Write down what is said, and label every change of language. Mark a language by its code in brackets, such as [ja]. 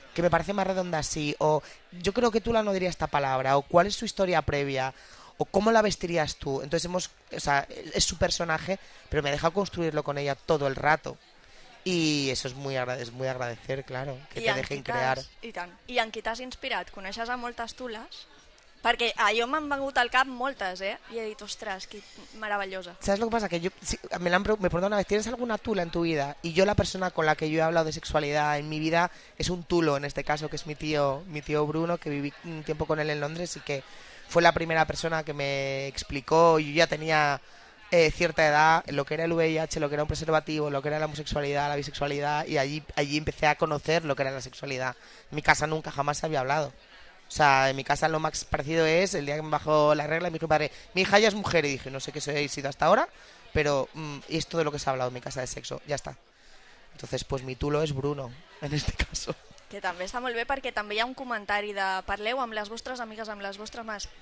[es] que me parece más redonda así, o yo creo que tú la no dirías esta palabra, o cuál es su historia previa, o cómo la vestirías tú. Entonces hemos, o sea, es su personaje, pero me ha dejado construirlo con ella todo el rato. Y eso es muy agradecer, claro, que [ca] I [es] te dejen crear. [ca] I tant. I en qui t'has inspirat? Coneixes a moltes tules? Perquè a jo m'han vengut al cap moltes, eh? I he dit, ostres, que meravellosa. [es] ¿Sabes lo que pasa? Que yo, si, me pregunto una vez, ¿tienes alguna tula en tu vida? Y yo, la persona con la que yo he hablado de sexualidad en mi vida, es un tulo, en este caso, que es mi tío Bruno, que viví un tiempo con él en Londres y que fue la primera persona que me explicó, y yo ya tenía cierta edad, lo que era el VIH, lo que era un preservativo, lo que era la homosexualidad, la bisexualidad, y allí empecé a conocer lo que era la sexualidad. En mi casa nunca jamás se había hablado. O sea, en mi casa lo más parecido es el día que me bajó la regla y me dijo padre, mi hija ya es mujer, y dije, no sé qué soy, he sido hasta ahora, pero y es todo lo que se ha hablado en mi casa de sexo, ya está. Entonces, pues mi tulo es Bruno, en este caso. [ca] Que també està molt bé perquè també hi ha un comentari de parleu amb les vostres amigues, amb les vostres mas.